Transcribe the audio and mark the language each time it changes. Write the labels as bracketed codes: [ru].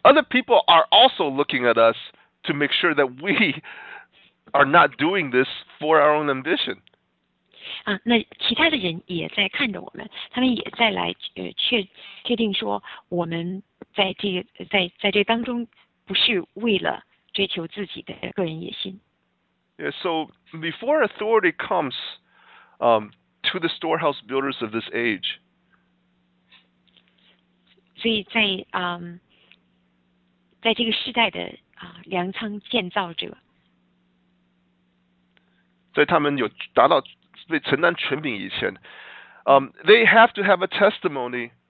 [en] Other people are also looking at us to make sure that we are not doing this for our own ambition. [zh] 那其他的人也在看着我们，他们也在来确定说我们在这当中不是为了追求自己的个人野心。 [en] Yeah, so before authority comes, to the storehouse builders of this age. [zh] 所以在在这个时代的粮仓建造者，在他们有达到。被承担权柄以前 [en] they have to have a testimony.